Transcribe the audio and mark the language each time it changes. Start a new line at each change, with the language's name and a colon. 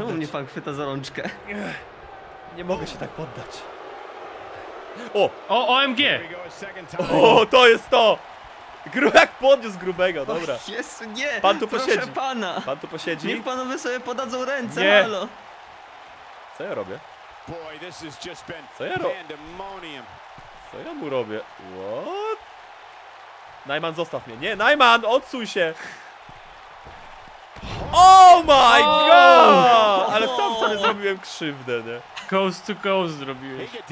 Polish: Czemu mnie pan chwyta za rączkę? Nie mogę się tak poddać.
English: OMG.
Polish: To jest to. Jak podniósł grubego, dobra. Jezu, nie, pan tu posiedzi. Proszę pana. Pan tu posiedzi. Niech panowie sobie podadzą ręce, nie. Halo. Co ja robię?
English: Boy, this has just been pandemonium.
Polish: Co ja mu robię?
English: What?
Polish: Najman, zostaw mnie. Nie, Najman, odsuń się.
English: Oh my god!
Polish: Ale sam sobie zrobiłem krzywdę, nie?
English: Coast to coast
Polish: zrobiłeś.